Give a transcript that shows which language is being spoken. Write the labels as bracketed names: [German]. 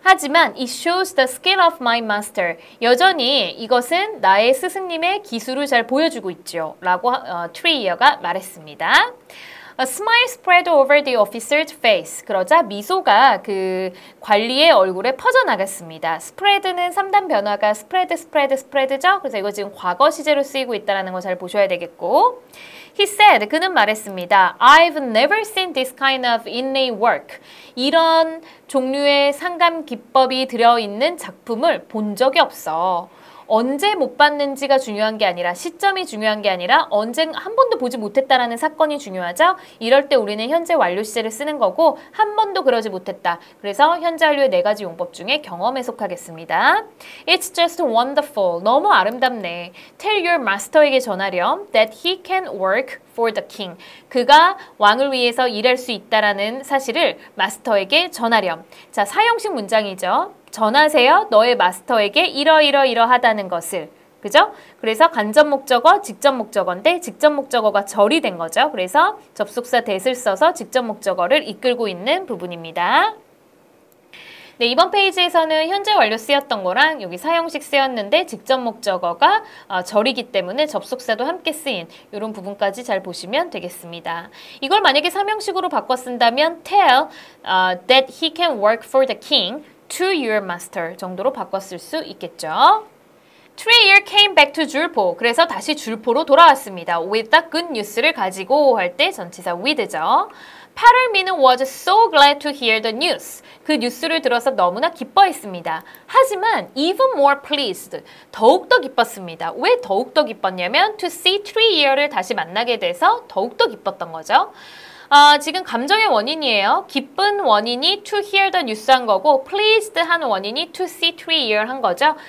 [English] 하지만 it shows the skill of my master. [Korean] 여전히 이것은 나의 스승님의 기술을 잘 보여주고 있죠. 라고 트리어가 말했습니다. [English] A smile spread over the officer's face. [Korean] 그러자 미소가 그 관리의 얼굴에 퍼져나갔습니다. spread는 3단 변화가 spread, spread, spread죠. 그래서 이거 지금 과거 시제로 쓰이고 있다는 거 잘 보셔야 되겠고 [English] He said, [Korean] 그는 말했습니다. [English] I've never seen this kind of inlay work. [Korean] 이런 종류의 상감 기법이 들어있는 작품을 본 적이 없어. 언제 못 봤는지가 중요한 게 아니라 시점이 중요한 게 아니라 언제 한 번도 보지 못했다라는 사건이 중요하죠. 이럴 때 우리는 현재 완료 시제를 쓰는 거고 한 번도 그러지 못했다. 그래서 현재 완료의 네 가지 용법 중에 경험에 속하겠습니다. [English] It's just wonderful. [Korean] 너무 아름답네. [English] Tell your master에게 [Korean] 전하렴 [English] that he can work for the king. [Korean] 그가 왕을 위해서 일할 수 있다라는 사실을 마스터에게 전하렴. 자, 사형식 문장이죠. 전하세요. 너의 마스터에게 이러이러이러하다는 것을. 그죠? 그래서 간접 목적어, 직접 목적어인데 직접 목적어가 절이 된 거죠. 그래서 접속사 that을 써서 직접 목적어를 이끌고 있는 부분입니다. 네, 이번 페이지에서는 현재 완료 쓰였던 거랑 여기 사형식 쓰였는데 직접 목적어가 절이기 때문에 접속사도 함께 쓰인 이런 부분까지 잘 보시면 되겠습니다. 이걸 만약에 3형식으로 바꿔 쓴다면 [English] tell that he can work for the king. to your master [Korean] 정도로 바꿨을 수 있겠죠. [English] Trier came back to 줄포. [Korean] 그래서 다시 줄포로 돌아왔습니다. [English] With the good news를 [Korean] 가지고 할 때 전치사 [English] with죠. Paramin was so glad to hear the news. [Korean] 그 뉴스를 들어서 너무나 기뻐했습니다. 하지만 [English] even more pleased. [Korean] 더욱더 기뻤습니다. 왜 더욱더 기뻤냐면 [English] to see Trier [Korean] 를 다시 만나게 돼서 더욱더 기뻤던 거죠. 아, 지금 감정의 원인이에요. 기쁜 원인이 [English] to hear the news [Korean] 한 거고 pleased 한 원인이 [English] to see Trier [Korean] 한 거죠.